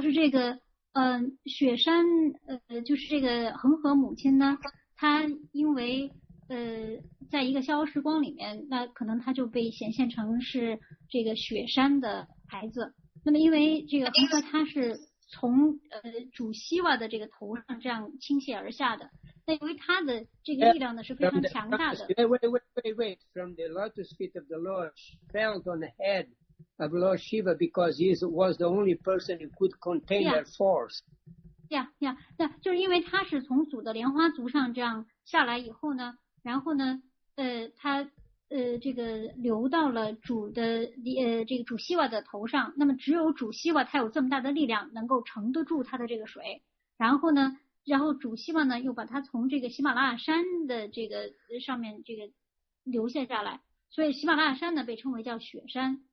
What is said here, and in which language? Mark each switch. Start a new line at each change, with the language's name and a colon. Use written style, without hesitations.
Chinese: So, 雪山就是这个恒河母亲呢，她因为在一个逍遥时光里面，那可能她就被显现成是这个雪山的孩子。那么因为这个恒河她是从主希瓦的这个头上这样倾泻而下的，那由于她的这个力量呢是非常强大的。
English: Wait, from the lotus feet of the Lord fell on the head. Of Lord Shiva because he was the only person who could contain their force. Yeah.
Chinese: 就是因为他是从祖的莲花族上这样下来以后呢，然后呢，他这个流到了主的这个主希瓦的头上。那么只有主希瓦他有这么大的力量，能够承得住他的这个水。然后主希瓦呢又把他从这个喜马拉雅山的这个上面这个流泻下来，所以喜马拉雅山呢被称为叫雪山。